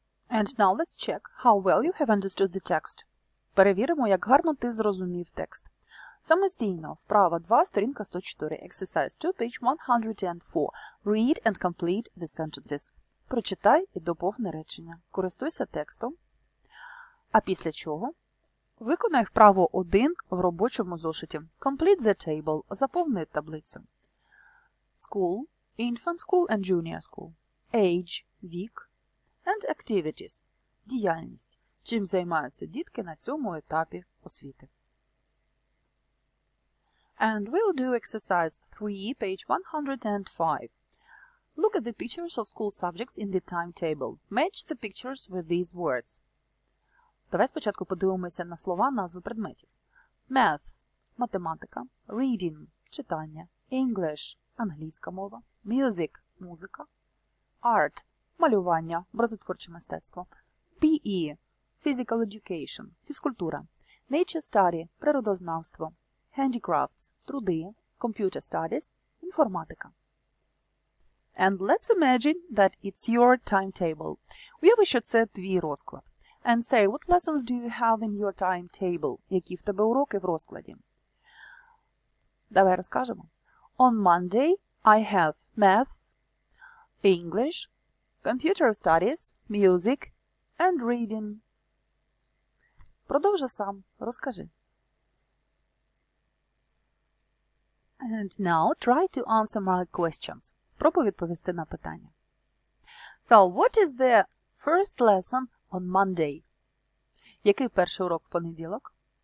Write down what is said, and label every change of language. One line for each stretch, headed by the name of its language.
English: And now let's check how well you have understood the text.
Ukrainian: Перевіримо, як гарно ти зрозумів текст. Самостійно, вправа 2, сторінка 104,
English: exercise 2, page 104. Read and complete the sentences.
Ukrainian: Прочитай і доповни речення. Користуйся текстом. А після чого? Виконай вправу 1 в робочому зошиті.
English: Complete the table.
Ukrainian: Заповни таблицю.
English: School, infant school and junior school. Age, вік. And activities, діяльність.
Ukrainian: Чим займаються дітки на цьому етапі освіти.
English: And we'll do exercise 3, page 105. Look at the pictures of school subjects in the timetable. Match the pictures with these words.
Ukrainian: Давай спочатку подивимося на слова, назви предметів.
English: Maths – математика. Reading – читання. English – англійська мова. Music – музика.
Ukrainian: Art – малювання, образотворче мистецтво.
English: PE – physical education, фізкультура, nature study, природознавство, handicrafts, труди, computer studies, інформатика. And let's imagine that it's your timetable.
Ukrainian: Уяви, що це твій розклад.
English: And say, what lessons do you have in your timetable?
Ukrainian: Які в тебе уроки в розкладі? Давай розкажемо.
English: On Monday I have maths, English, computer studies, music and reading.
Ukrainian: Продовжи сам, розкажи.
English: And now try to answer my questions.
Ukrainian: Спробуй відповісти на питання.
English: So, what is the first lesson on Monday?
Ukrainian: Який перший урок в понеділок?